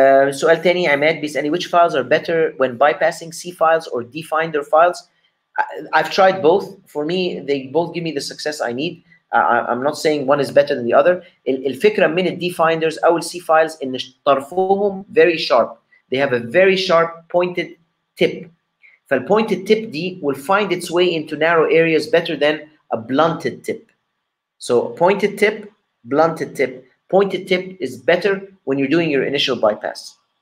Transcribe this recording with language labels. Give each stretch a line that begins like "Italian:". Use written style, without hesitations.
Arabic: سؤال تاني عماد بيسالني
English: which files are better when bypassing C files or D finder files. I've tried both. For me they both give me the success I need. I'm not saying one is better than the other.
Arabic: الفكرة من الـ definders أو الـ C files إن طرفهم
English: very sharp. They have a very sharp pointed tip.
Arabic: فالـ
English: pointed tip دي will find its way into narrow areas better than a blunted tip. So pointed tip, blunted tip. Pointed tip is better when you're doing your initial bypass.